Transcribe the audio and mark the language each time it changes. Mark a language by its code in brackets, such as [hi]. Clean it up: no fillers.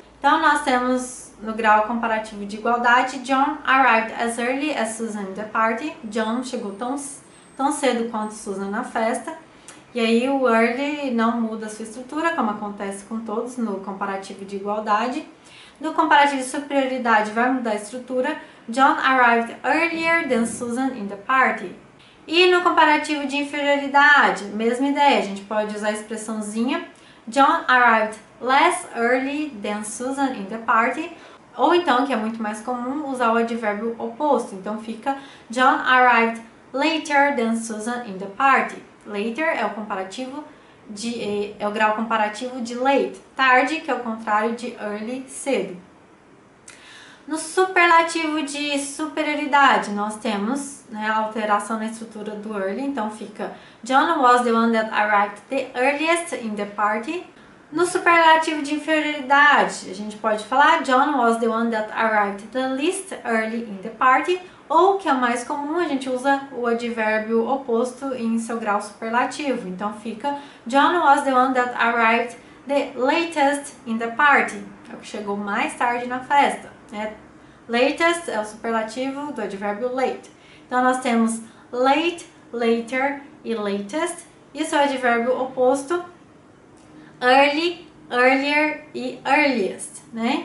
[pt] Então nós temos no grau comparativo de igualdade, [en] John arrived as early as Susan at the party. [pt] John chegou tão cedo quanto Susan na festa. E aí o early não muda a sua estrutura, como acontece com todos no comparativo de igualdade. No comparativo de superioridade vai mudar a estrutura. [en] John arrived earlier than Susan in the party. [pt] E no comparativo de inferioridade, mesma ideia, a gente pode usar a expressãozinha [en] John arrived less early than Susan in the party. [pt] Ou então, que é muito mais comum, usar o advérbio oposto. Então fica [en] John arrived later than Susan in the party. [pt] Later é o comparativo é o grau comparativo de late, tarde, que é o contrário de early, cedo. No superlativo de superioridade, nós temos, né, a alteração na estrutura do early. Então fica [en] John was the one that arrived the earliest in the party. [pt] No superlativo de inferioridade, a gente pode falar [en] John was the one that arrived the least early in the party. [pt] Ou, que é o mais comum, a gente usa o advérbio oposto em seu grau superlativo. Então fica [en] John was the one that arrived the latest in the party. [pt] É o que chegou mais tarde na festa. Né? Latest é o superlativo do advérbio late. Então nós temos late, later e latest. Isso é o advérbio oposto. Early, earlier e earliest, né?